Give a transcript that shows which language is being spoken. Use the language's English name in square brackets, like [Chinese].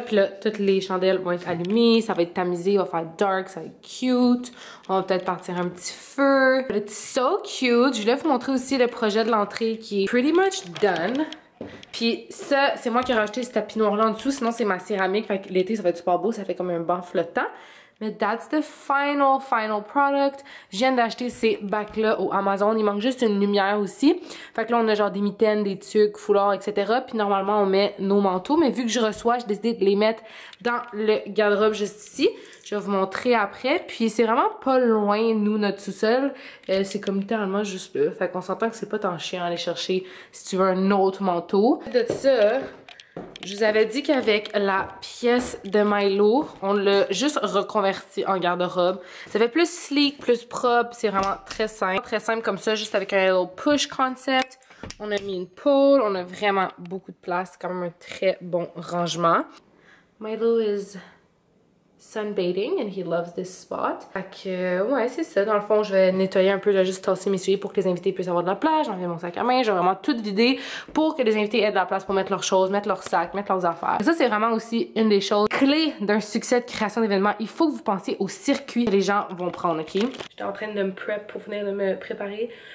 [French] Puis là, toutes les chandelles vont être allumées. Ça va être tamisé. Il va faire dark. Ça va être cute. On va peut-être partir un petit feu. [English] It's so cute. [French] Je voulais vous montrer aussi le projet de l'entrée qui est [English] pretty much done. [French] Puis ça, c'est moi qui ai rajouté ce tapis noir là en dessous. Sinon, c'est ma céramique. Fait que l'été, ça va être super beau. Ça fait comme un banc flottant. Mais [English] that's the final product. [French] Je viens d'acheter ces bacs-là au Amazon. Il manque juste une lumière aussi. Fait que là, on a genre des mitaines, des tuques, foulards, etc. Puis normalement, on met nos manteaux. Mais vu que je reçois, j'ai décidé de les mettre dans le garde-robe juste ici. Je vais vous montrer après. Puis c'est vraiment pas loin, nous, notre sous-sol. C'est comme littéralement juste là. Fait qu'on s'entend que c'est pas tant chiant aller chercher si tu veux un autre manteau. De ça... Je vous avais dit qu'avec la pièce de Milo, on l'a juste reconverti en garde-robe. Ça fait plus sleek, plus propre, c'est vraiment très simple. Très simple comme ça, juste avec un [English] little push concept. [French] On a mis une pole, on a vraiment beaucoup de place, c'est quand même un très bon rangement. [English] Milo is sunbathing and he loves this spot. [French] Fait que, ouais, c'est ça. Dans le fond, je vais nettoyer un peu, je vais juste tasser mes souliers pour que les invités puissent avoir de la place. J'enlève mon sac à main, je vais vraiment tout vider pour que les invités aient de la place pour mettre leurs choses, mettre leurs sacs, mettre leurs affaires. Et ça, c'est vraiment aussi une des choses clés d'un succès de création d'événements. Il faut que vous pensiez au circuit que les gens vont prendre, ok? J'étais en train de me prep pour finir de me préparer.